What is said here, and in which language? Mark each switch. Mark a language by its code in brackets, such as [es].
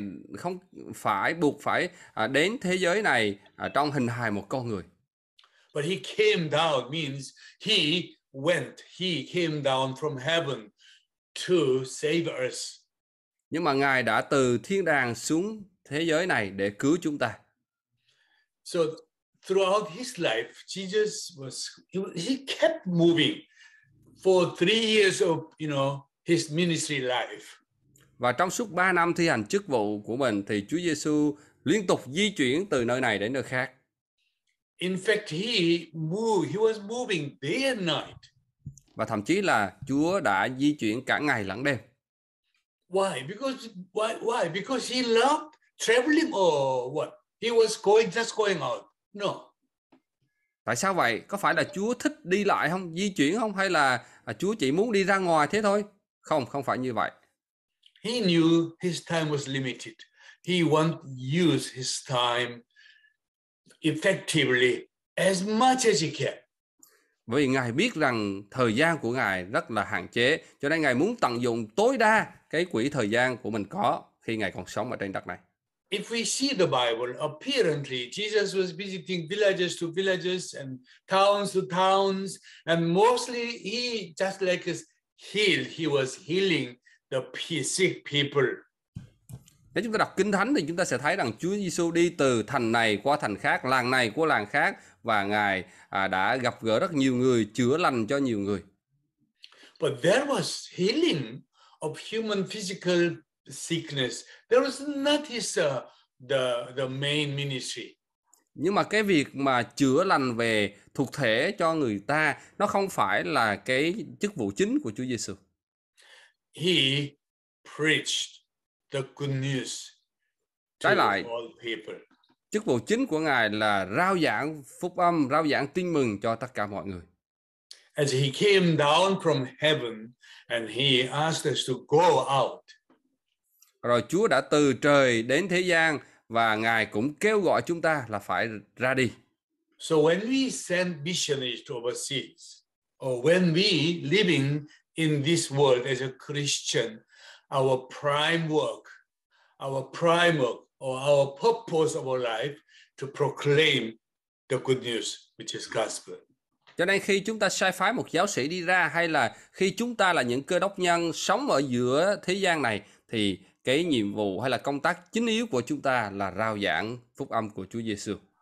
[vi] Ngài không phải buộc phải đến thế giới này trong hình hài một con người. [en] But he came down means he went, he came down from heaven to save us. [vi] Nhưng mà Ngài đã từ thiên đàng xuống thế giới này để cứu chúng ta. [en] So throughout his life, Jesus was, he kept moving for 3 years of, you know, his ministry life. [vi] Và trong suốt 3 năm thi hành chức vụ của mình thì Chúa Giêsu liên tục di chuyển từ nơi này đến nơi khác. [en] In fact, he was moving day and night. [vi] Và thậm chí là Chúa đã di chuyển cả ngày lẫn đêm. [en] Why? Because Because he loved traveling or what? He was going out. No. [vi] Tại sao vậy? Có phải là Chúa thích đi lại không, di chuyển không, hay là Chúa chỉ muốn đi ra ngoài thế thôi? Không, không phải như vậy. [en] He knew his time was limited. He wanted to use his time effectively as much as he can. [vi] Vì Ngài biết rằng thời gian của Ngài rất là hạn chế, cho nên Ngài muốn tận dụng tối đa cái quỹ thời gian của mình có khi Ngài còn sống ở trên đất này. [en] If we see the Bible, apparently Jesus was visiting villages to villages and towns to towns, and mostly he just like his heal, he was healing the sick people. [vi] Nếu chúng ta đọc Kinh Thánh thì chúng ta sẽ thấy rằng Chúa Giêsu đi từ thành này qua thành khác, làng này qua làng khác, và Ngài đã gặp gỡ rất nhiều người, chữa lành cho nhiều người. [en] But there was healing of human physical sickness. There was not his the main ministry. [vi] Nhưng mà cái việc mà chữa lành về thuộc thể cho người ta, nó không phải là cái chức vụ chính của Chúa Giêsu. [en] He preached the good news to [vi] trái lại, [en] all people. [vi] Chức vụ chính của Ngài là rao giảng phúc âm, rao giảng tin mừng cho tất cả mọi người. [en] As he came down from heaven and he asked us to go out. [vi] Rồi Chúa đã từ trời đến thế gian và Ngài cũng kêu gọi chúng ta là phải ra đi. [en] So when we send missionaries to overseas, or when we living in this world as a Christian, our prime work or our purpose of our life to proclaim the good news, which is gospel. [vi] Cho nên khi chúng ta sai phái một giáo sĩ đi ra, hay là khi chúng ta là những cơ đốc nhân sống ở giữa thế gian này, thì cái nhiệm vụ hay là công tác chính yếu của chúng ta là rao giảng phúc âm của Chúa Giêsu.